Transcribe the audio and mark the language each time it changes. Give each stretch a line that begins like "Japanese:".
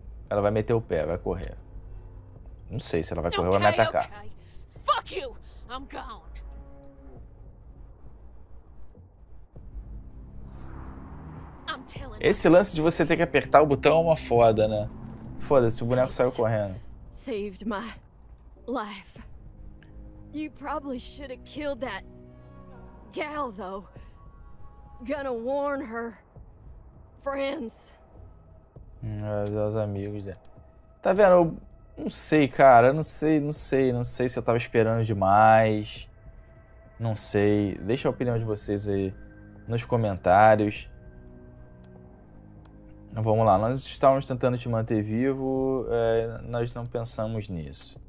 Portuguese: Ela vai meter o pé, vai correr. Não sei se ela vai correr ou vai me atacar.
English: Fuck you. I'm gone.
Portuguese: Esse lance de você ter que apertar o botão é uma foda, né? Foda-se, o boneco saiu correndo.
English: Saved my life. You probably should have killed that. Gal, though, gonna warn her friends.
Portuguese: Os amigos dela. Tá vendo? Eu não sei, cara. Não sei se eu tava esperando demais. Não sei. Deixa a opinião de vocês aí nos comentários. Vamos lá. Nós estávamos tentando te manter vivo. Nós não pensamos nisso.